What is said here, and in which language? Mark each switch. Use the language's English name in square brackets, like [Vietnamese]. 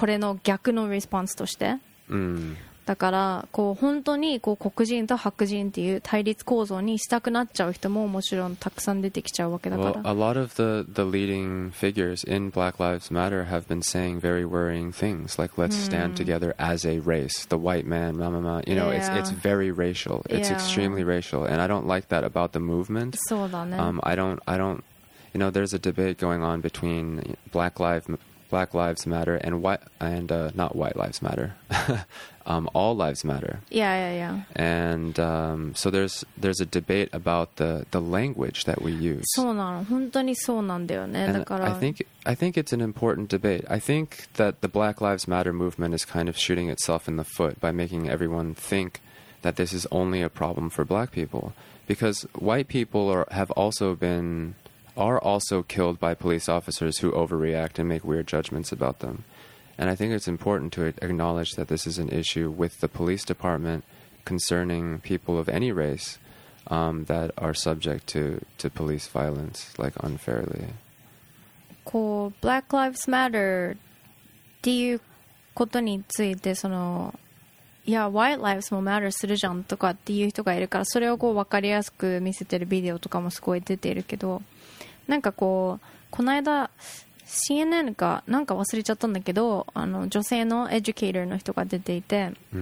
[Japanese] これの逆のレスポンスとして。だからこう本当にこう黒人と白人っていう対立構造にしたくなっちゃう人ももちろんたくさん出てきちゃうわけだから。 [English] Well, a lot of the leading figures in Black Lives Matter have been saying very worrying things like let's stand together as a race, the white man, You know, it's very racial. It's extremely racial, and I don't like that about the movement. [Japanese] そうだね。 [English] I don't. You know, there's a debate going on between Black Lives Matter and not White Lives Matter. All lives matter. Yeah. And so there's a debate about the language that we use. [Japanese] そうなの、本当にそうなんだよね。だから、 [English] I think it's an important debate. I think that the Black Lives Matter movement is kind of shooting itself in the foot by making everyone think that this is only a problem for black people. Because white people are also killed by police officers who overreact and make weird judgments about them. And I think it's important to acknowledge that this is an issue with the police department concerning people of any race that are subject to police violence, like unfairly. [Japanese] こう、Black Lives Matter っていうことについて、その、いや、White Lives も Matter するじゃんとかっていう人がいるから、それをこう分かりやすく見せてるビデオとかもすごい出ているけど、なんかこう、この間、CNN かなんか忘れちゃったんだけど、あの女性のエデュケーターの人が出ていて、